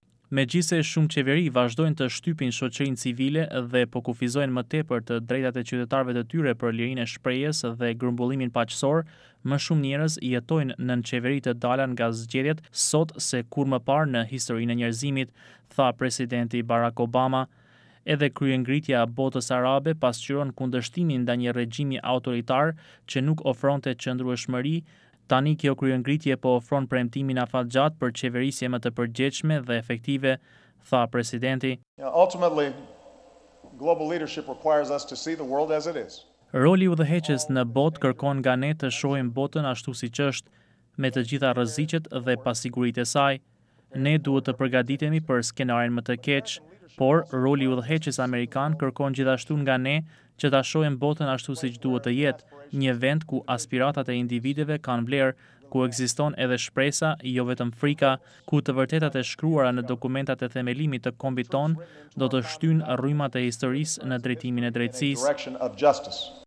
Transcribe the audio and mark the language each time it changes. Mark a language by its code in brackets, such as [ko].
[sq] Megjithse shumë qeveri vazhdojnë të shtypin shoqërinë civile dhe po kufizojnë më tepër të drejtat e qytetarëve të tyre për lirinë e shprehjes dhe grumbullimin paqësor, më shumë njerëz jetojnë nën qeveri të dalë nga zgjedhjet sot se kur më parë në historinë e njerëzimit, tha presidenti Barack Obama. Edhe kryengritja e botës arabe pasqyron kundërshtimin ndaj një regjimi autoritar që nuk ofronte qëndrueshmëri. Tani kjo kryengritje po ofron premtimin afatgjat për qeverisje më të përgjegjshme dhe efektive, tha presidenti. [en] Ultimately, global leadership requires us to see the world as it is. [sq] Roli udhëheqës në botë kërkon nga ne të shohim botën ashtu siç është. me të gjitha rreziqet dhe pasigurinë e saj. Ne duhet të përgatitemi për skenarin më të keq, por roli udhëheqës amerikan kërkon gjithashtu nga ne që ta shohim botën ashtu siç duhet të jetë, një vend ku aspiratat e individeve kanë vlerë, ku ekziston edhe shpresa, jo vetëm frika, ku të vërtetat e shkruara në dokumentat e themelimit të kombit ton do të shtynë rrymat e historisë në drejtimin e drejtësisë.